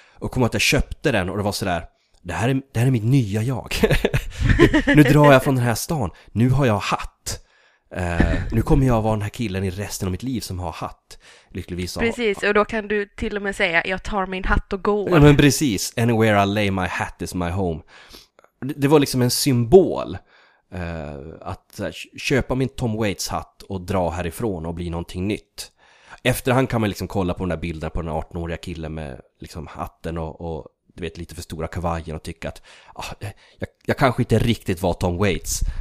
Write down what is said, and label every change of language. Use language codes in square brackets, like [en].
[sv] Och kom att jag köpte den och det var så där, det här är mitt nya jag. Nu drar jag från den här stan. Nu har jag hatt. Nu kommer jag vara den här killen i resten av mitt liv som har hatt. Lyckligtvis. Precis, och då kan du till och med säga, jag tar min hatt och går. Ja, men precis. [en] Anywhere I lay my hat is my home. [sv] Det var liksom en symbol. Att köpa min Tom Waits hatt och dra härifrån och bli någonting nytt. Efterhand kan man liksom kolla på den där bilden på den 18-åriga killen med liksom hatten och du vet, lite för stora kavajen och tycka att jag kanske inte riktigt var Tom Waits.